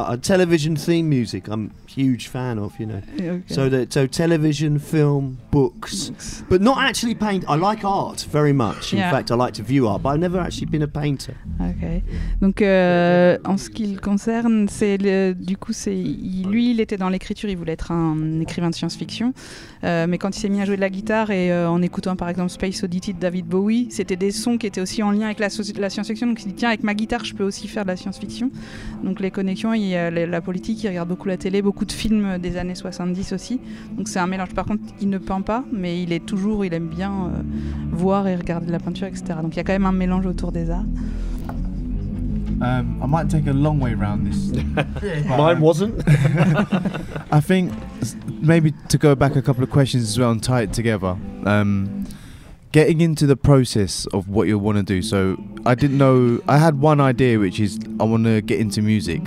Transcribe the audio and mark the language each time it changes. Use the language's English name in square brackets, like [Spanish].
[English] Television theme music, I'm a huge fan of, you know. Okay. So television, film, books. But not actually paint. I like art very much. Yeah. In fact, I like to view art, but I've never actually been a painter. Okay. [French] Donc, en ce qui le concerne, lui, il était dans l'écriture, il voulait être un écrivain de science-fiction. Mais quand il s'est mis à jouer de la guitare et en écoutant, par exemple, Space Oddity de David Bowie, c'était des sons qui étaient aussi en lien avec la science-fiction. Donc, il dit, tiens, avec ma guitare, je peux aussi faire de la science-fiction. Donc les connexions, la politique, il regarde beaucoup la télé, beaucoup de films des années 70 aussi. Donc c'est un mélange. Par contre, il ne peint pas, mais il aime bien voir et regarder de la peinture, etc. Donc il y a quand même un mélange autour des arts. [English] I might take a long way around this. Mine wasn't. I think maybe to go back a couple of questions as well and tie it together. Getting into the process of what you want to do. So I didn't know, I had one idea, which is I want to get into music.